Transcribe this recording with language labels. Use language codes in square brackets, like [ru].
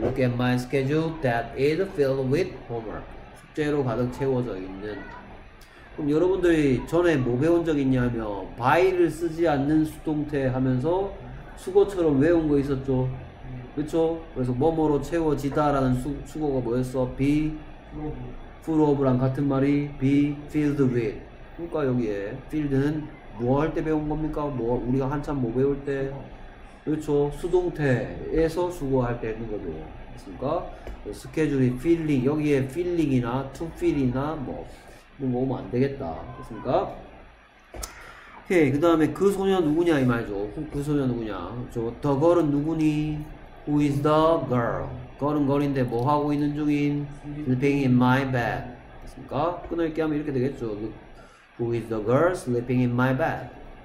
[en] Look at my schedule that is filled with homework. [ko] 숙제로 가득 채워져 있는. 그럼 여러분들이 전에 뭐 배운 적 있냐면 by를 쓰지 않는 수동태 하면서 수거처럼 외운 거 있었죠. 그렇죠? 그래서 뭐뭐로 채워지다라는 수거가 뭐였어? [en] be full of [ko] 랑 같은 말이 [en] be filled with. [ko] 그러니까 여기에 filled는 뭐 할 때 배운 겁니까? 뭐 우리가 한참 뭐 배울 때. 그렇죠. 수동태에서 수거할 때 있는 거죠. 맞습니까? 스케줄이 필링, 여기에 필링이나 투 필이나 뭐 이런 거 오면 안 되겠다. 맞습니까? 오케이. 그 다음에 그 소녀 누구냐 이 말이죠. 그 소녀 누구냐. 저 the girl은 누구니? [en] Who is the girl? [ko] girl은 girl인데 뭐 하고 있는 중인? [en] Sleeping in my bed. [ko] 맞습니까? 끊을게 하면 이렇게 되겠죠. [en] Who is the girl sleeping in my bed?